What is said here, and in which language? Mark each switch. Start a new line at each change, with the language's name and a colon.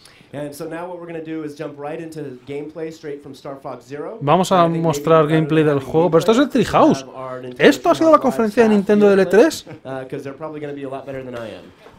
English: And so now what we're going to do is jump right into gameplay straight from Star Fox Zero.
Spanish: Vamos a mostrar gameplay del juego, pero esto es el Treehouse. ¿Esto ha sido la conferencia de Nintendo de E3?
English: Because they're probably going to be a lot better than I am.